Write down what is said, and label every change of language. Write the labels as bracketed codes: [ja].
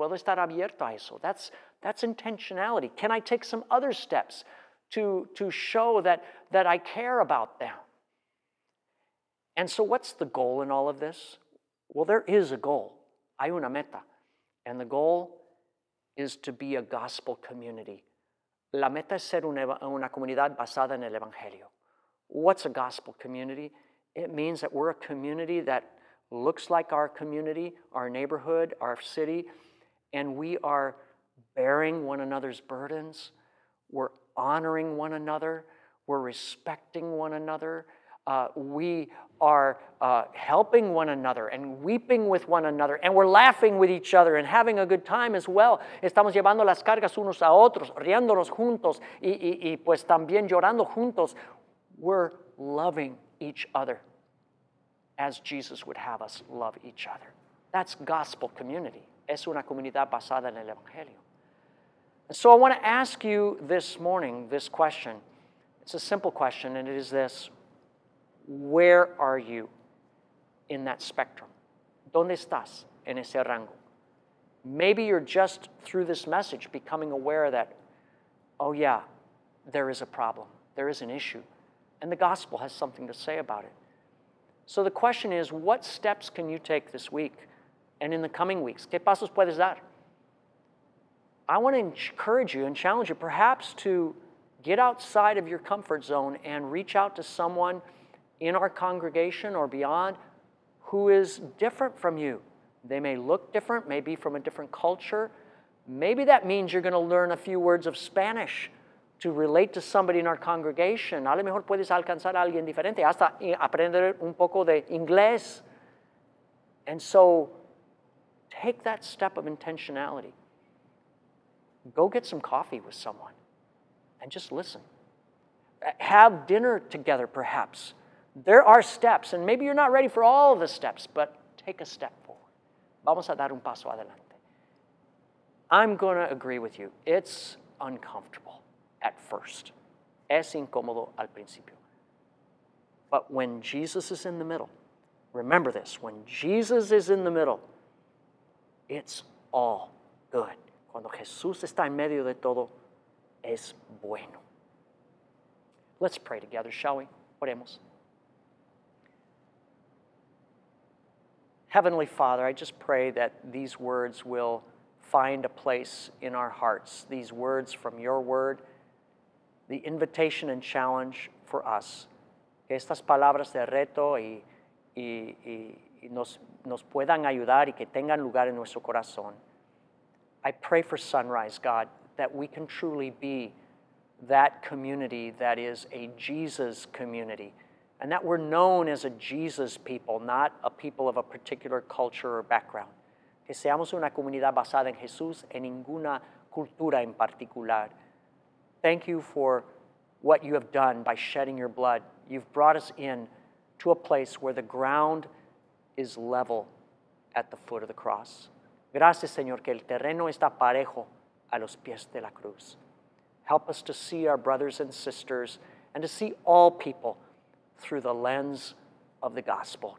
[es] ¿Puedo estar abierto a eso? [en] That's intentionality. Can I take some other steps to show that I care about them? And so what's the goal in all of this? Well, there is a goal. [es] Hay una meta. [en] And the goal is to be a gospel community. [es] La meta es ser una comunidad basada en el Evangelio. [en] What's a gospel community? It means that we're a community that looks like our community, our neighborhood, our city, and we are bearing one another's burdens. We're honoring one another. We're respecting one another. We are helping one another and weeping with one another, and we're laughing with each other and having a good time as well. [es] Estamos llevando las cargas unos a otros, riéndonos juntos y pues también llorando juntos. [en] We're loving each other as Jesus would have us love each other. That's gospel community. [es] Es una comunidad basada en el Evangelio. [en] And so I want to ask you this morning this question. It's a simple question, and it is this. Where are you in that spectrum? [es] ¿Dónde estás en ese rango? [en] Maybe you're just through this message becoming aware that, oh yeah, there is a problem. There is an issue. And the gospel has something to say about it. So the question is, what steps can you take this week and in the coming weeks? [es] ¿Qué pasos puedes dar? [en] I want to encourage you and challenge you perhaps to get outside of your comfort zone and reach out to someone in our congregation or beyond who is different from you. They may look different, maybe from a different culture. Maybe that means you're going to learn a few words of Spanish to relate to somebody in our congregation. [es] A lo mejor puedes alcanzar a alguien diferente, hasta aprender un poco de inglés. [en] And so take that step of intentionality. Go get some coffee with someone and just listen. Have dinner together, perhaps. There are steps, and maybe you're not ready for all of the steps, but take a step forward. [es] Vamos a dar un paso adelante. [en] I'm going to agree with you. It's uncomfortable at first. [es] Es incómodo al principio. [en] But when Jesus is in the middle, remember this, when Jesus is in the middle, it's all good. [es] Cuando Jesús está en medio de todo, es bueno. [en] Let's pray together, shall we? [es] Oremos. [en] Heavenly Father, I just pray that these words will find a place in our hearts, these words from your word, the invitation and challenge for us. [es] Que estas palabras de reto y nos puedan ayudar y que tengan lugar en nuestro corazón. [en] I pray for sunrise, God, that we can truly be that community that is a Jesus community. And that we're known as a Jesus people, not a people of a particular culture or background. [es] Que seamos una comunidad basada en Jesús, en ninguna cultura en particular. [en] Thank you for what you have done by shedding your blood. You've brought us in to a place where the ground is level at the foot of the cross. [es] Gracias, Señor, que el terreno está parejo a los pies de la cruz. [en] Help us to see our brothers and sisters and to see all people through the lens of the gospel.